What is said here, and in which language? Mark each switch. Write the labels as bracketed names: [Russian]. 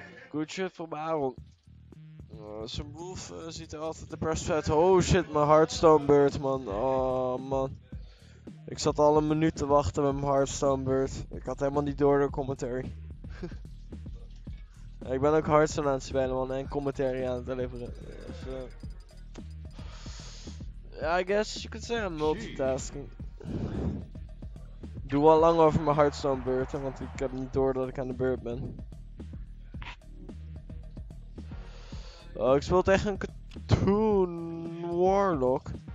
[English] Good shit [Dutch] voor Aaron. Zijn wolf ziet er altijd de press uit. Oh shit, mijn Hearthstone Bird, man. Oh man. Ik zat al een minuut te wachten met mijn Hearthstone Bird. Ik had helemaal niet door de commentary. Ik ben ook Hearthstone aan het spelen, man, en commentary aan het leveren. [English] Dus, I guess you could say I'm multitasking. [Dutch] Ik doe al lang over mijn Hearthstone beurt, want ik heb niet door dat ik aan de beurt ben. Ik speel tegen een Cthulhu Warlock.